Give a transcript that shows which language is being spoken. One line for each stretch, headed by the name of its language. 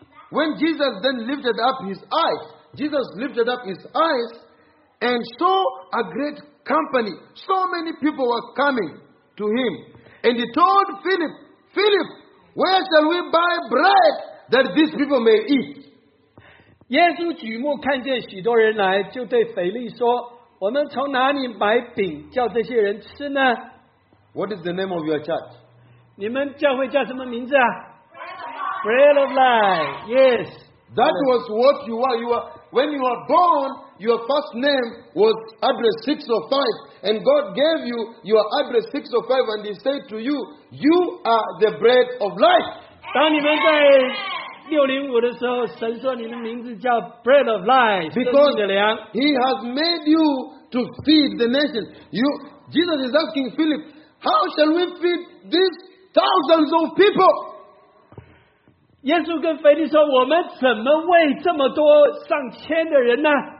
English: When Jesus then lifted up his eyes, Jesus lifted up his eyes and saw a great company. So many people were coming to him. And he told Philip, "Philip, where shall we buy bread that these people may eat?"
Chinese: 耶稣举目看见许多人来，就对腓力说，我们从哪里买饼叫这些人吃呢?
English: What is the name of your church?
Chinese: 你们教会叫什么名字啊? Bread of Life. Yes.
English: That was what you were. You were, when you were born, your first name was address 605. And God gave you your address 605 and He said to you, you are the bread of life.
Chinese: 605的时候，神说你的名字叫 Bread of Life,
English: because He has made you to feed the nation. You, Jesus is asking Philip, how shall we feed these thousands of people?
Chinese: 耶稣跟腓力说，我们怎么喂这么多上千的人呢？